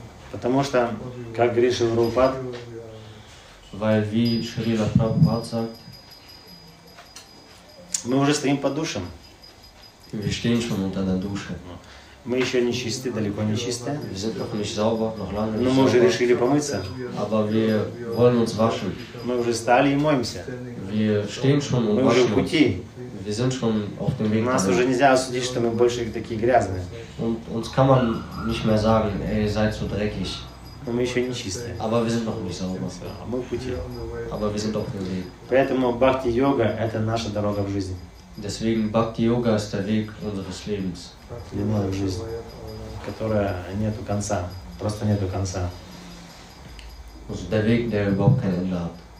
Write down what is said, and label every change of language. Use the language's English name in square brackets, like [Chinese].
[Russian] Потому что как Гриша Прабхупад, [German] weil wie Шрила Прабхупад sagt, [Russian] мы уже стоим под душем. [German] Wir stehen schon unter der Dusche. [Russian] Мы еще не чисты, далеко не чисты. [German] Wir sind noch nicht sauber, noch lange nicht. [Russian] Но мы уже решили помыться. [German] Aber wir wollen uns waschen. [Russian] Мы уже стали и моемся. [German] Wir stehen schon und waschen. [Russian] Мы уже в пути. [German] Wir sind schon auf dem Weg. [Russian] Нас уже нельзя осудить, что мы больше такие грязные. [German] Und uns kann man nicht mehr sagen, ey, ihr seid so dreckig. [Russian] Но мы еще не чисты. [German] Aber wir sind noch nicht sauber. [Russian] Мы в пути. [German] Aber wir sind auf dem Weg. [Russian] Поэтому Бхакти-йога – это наша дорога в жизни. [German] Deswegen Bhakti-Yoga ist der Weg unseres Lebens. [Russian] Длинная жизнь, которая нету конца, просто нету конца. [German] Also der Weg, der überhaupt kein Ende hat.